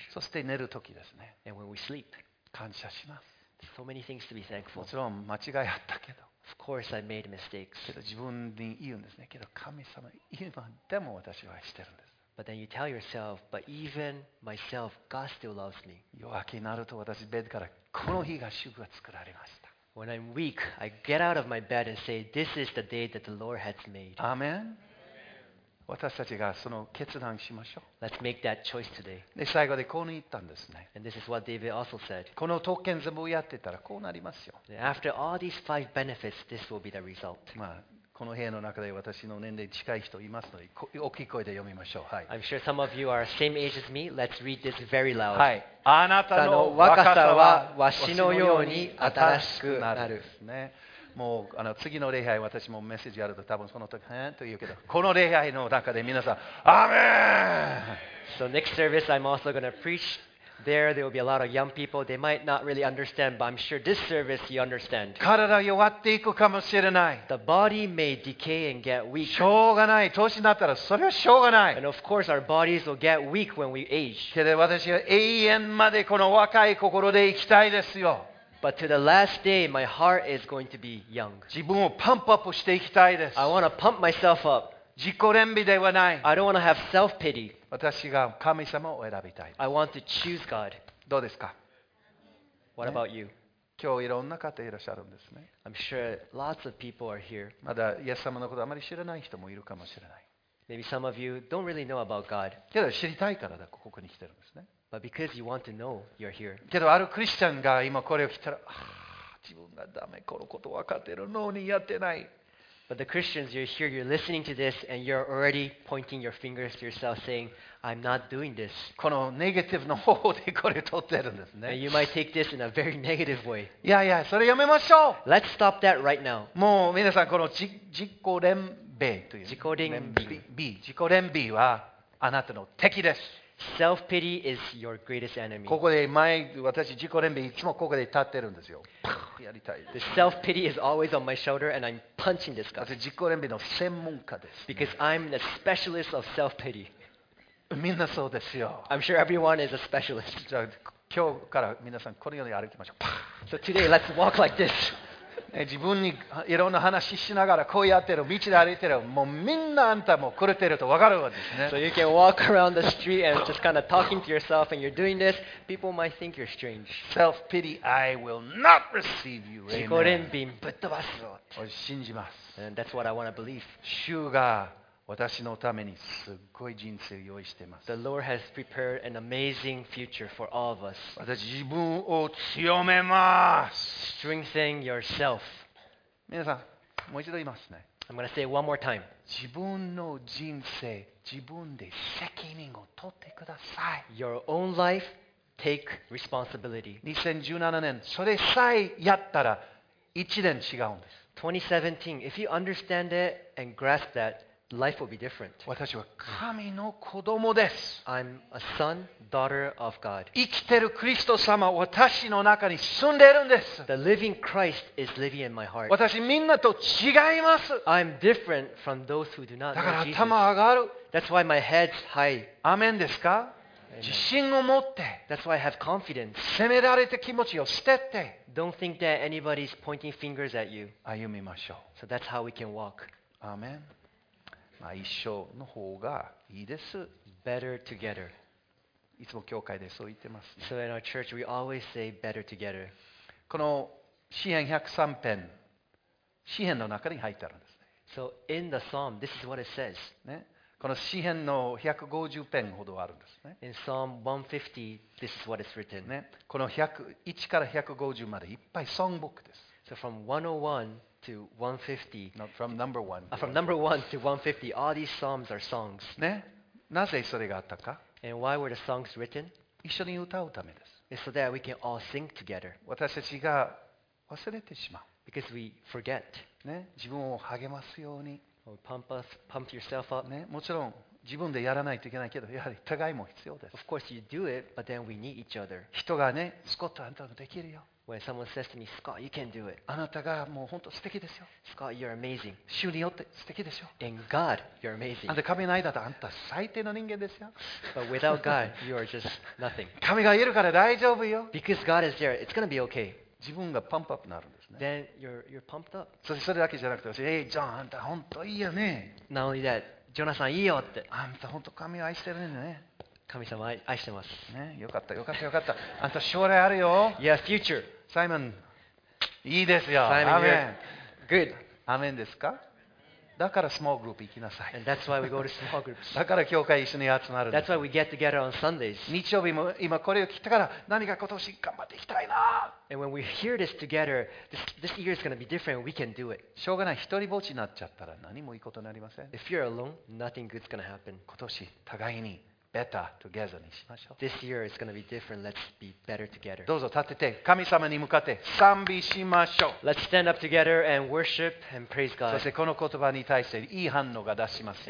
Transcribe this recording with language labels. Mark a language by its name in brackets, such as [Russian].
[Japanese] そして寝るときですね。 [English] And when we sleep, [Japanese] 感謝します。 [English] So many things to be thankful. [Japanese] もちろん間違いあったけど。 [English] Of course, I made mistakes. [Japanese] けど自分に言うんですね。けど神様、今でも私はしてるんです。 [English] But then you tell yourself, but even myself, God still loves me. [Japanese] 弱気になると私ベッドからこの日が主が作られました。 [English] When I'm weak, I get out of my bed and say, this is the day that the Lord has made. Amen. [Japanese] 私たちがその決断しましょう。 [English] Let's make that choice today. [Japanese] で、最後でこう言ったんですね。 [English] And this is what David also said. [Japanese] この特権全部やってたらこうなりますよ。 [English] After all these five benefits, this will be the result. [Japanese] まあこの部屋の中で私の年齢に近い人いますので、大きい声で読みましょう。はい。 [English] I'm sure some of you are same age as me. Let's read this very loud. [Japanese] はい。あなたの若さはわしのように新しくなる。ね。もうあの次の礼拝、私もメッセージあると多分その時へんと言うけど、この礼拝の中で皆さん、アーメン。 [English] So next service, I'm also going to preach. There will be a lot of young people. They might not really understand, but I'm sure this service you understand. [Japanese] 体弱っていくかもしれない。 [English] The body may decay and get weak. [Japanese] しょうがない。年になったらそれはしょうがない。 [English] And of course, our bodies will get weak when we age. [Japanese] けど私は永遠までこの若い心で生きたいですよ。 [English] But to the last day, my heart is going to be young. [Japanese] 自分をパンプアップしていきたいです。 [English] I want to pump myself up. [Japanese] 自己憐憫ではない。 [English] I don't want to have self-pity. [Japanese] 私が神様を選びたい。 [English] I want to choose God. [Japanese] どうですか? [English] What about you? [Japanese] 今日いろんな方いらっしゃるんですね。 [English] I'm sure lots of people are here. [Japanese] まだイエス様のことあまり知らない人もいるかもしれない。 [English] Maybe some of you don't really know about God. [Japanese] けど知りたいからだ、ここに来てるんですね。 [English] But because you want to know, you're here. [Japanese] けどあるクリスチャンが今これを聞いたら、自分がダメ、このこと分かってるのにやってない。 [English] But the Christians, you're here, you're listening to this, and you're already pointing your fingers to yourself, saying, "I'm not doing this." [Japanese] このネガティブの方法でこれ取ってるんですね。 [English] And you might take this in a very negative way. [Japanese] いやいや、それやめましょう。 [English] Let's stop that right now. [Japanese] もう皆さんこの自己憐憫という自己憐憫、自己憐憫はあなたの敵です。 [English] Self-pity is your greatest enemy. [Japanese] ここで前私自己憐憫いつもここで立ってるんですよ。パッやりたい。 [English] The self-pity is always on my shoulder, and I'm punching this guy. [Japanese] 私自己憐憫の専門家です。 [English] Because I'm the specialist of self-pity. [Japanese] みんなそうですよ。 [English] I'm sure everyone is a specialist. [Japanese] じゃあ今日から皆さんこのように歩きましょう。パッ。 [English] So today let's walk like this. [Japanese] 自分にいろんな話しながらこうやってる道で歩いてる、もうみんなあんたも狂ってると分かるわですね。 [English] So you can walk around the street and just kind of talking to yourself and you're doing this, people might think you're strange. Self-pity, I will not receive you. [Japanese] 自己憐憫ぶっ飛ばすぞ。俺信じます。 [English] And that's what I want to believe. [Japanese] 主が私のためにすごい人生を用意しています。 [English] The Lord has prepared an amazing future for all of us. [Japanese] 私自分を強めます。 [English] Strengthen yourself. [Japanese] 皆さん、もう一度言いますね。 [English] I'm going to say one more time. [Japanese] 自分の人生、自分で責任を取ってください。 [English] Your own life, take responsibility. [Japanese] 2017年、それさえやったら一年違うんです。 [English] 2017, if you understand it and grasp that,Life will be different. [Japanese] 私は神の子供です。 [English] I'm a son, daughter of God. [Japanese] 生きてるクリスト様、私の中に住んでるんです。 [English] The living Christ is living in my heart. [Japanese] 私みんなと違います。 [English] I'm different from those who do not know Jesus. [Japanese] だから頭上がる。 [English] That's why my head's high. [Japanese] アメンですか？自信を持って。 [English] That's why I have confidence. [Japanese] 責められて気持ちを捨てて。 [English] Don't think that anybody's pointing fingers at you. [Japanese] 歩みましょう。 [English] So that's how we can walk. [Japanese] アメン。一緒の方がいいです。 [English] Better together. [Japanese] いつも教会でそう言ってます、ね。 [English] So in our church, we always say better together. [Japanese] この詩編103編、詩編の中に入ってあるんですね。 [English] So in the psalm, this is what it says. [Japanese] ね、この詩編の150編ほどあるんですね。 [English] In Psalm 150, this is what it's written. [Japanese] ね、この101から150までいっぱい songbook です。 [English] So from 101,To 150, no, from number one. From number one to 150, all these psalms are songs. [Japanese] ね、なぜそれがあったか。 [English] And why were the songs written? [Japanese] 一緒に歌うためです。 [English] It's so that we can all sing together. [Japanese] 私たちが忘れてしまう。 [English] Because we forget. [Japanese] ね、自分を励ますように。 [English] Pump yourself up. [Japanese] ね、もちろん自分でやらないといけないけど、やはり互いも必要です。 [English] Of course you do it, but then we need each other. [Japanese] 人がね、スコット、あんたもできるよ。 [English] When someone says to me, Scott, you can do it. [Japanese] あなたがもう本当素敵ですよ。 [English] Scott, you're amazing. [Japanese] 主によって素敵ですよ。 [English] And God, you're amazing. [Japanese] あんた神の間とあんた最低の人間ですよ。 [English] But without God, you are just nothing. [Japanese] 神がいるから大丈夫よ。 [English] Because God is there, it's going to be okay. [Japanese] 自分がパンプアップになるんですね。 [English] Then you're pumped up. [Japanese] それだけじゃなくて、 [English] Hey, John, [Japanese] あんた本当いいよね。 [English] Not only that, [Japanese] ジョナサンいいよって。あんた本当神を愛してるんだね。神様愛してます。ね、よかったよかったよかった。あんた将来あるよ。 [English] Yeah, future. [Japanese] サイモン、いいですよ。サイモン、アメン。 [English] Good. [Japanese] アメンですか？だからスモールグループ行きなさい。 [English] And that's why we go to small groups. [Japanese] だから教会一緒に集まる [English] の。That's why we get together on Sundays. [Japanese] 日曜日も今これを聞いたから何か今年頑張っていきたいな。 [English] And when we hear this together, this year is going to be different. We can do it. [Japanese] しょうがない一人ぼっちになっちゃったら何もいいことになりません。 [English] If you're alone, nothing good's going to happen. [Japanese] 今年互いに [English] Better together [Japanese] にしましょう。 [English] This year is going to be different. Let's be better together. [Japanese] どうぞ立てて神様に向かって賛美しましょう。 [English] Let's stand up together and worship and praise God. [Japanese] そしてこの言葉に対していい反応が出します。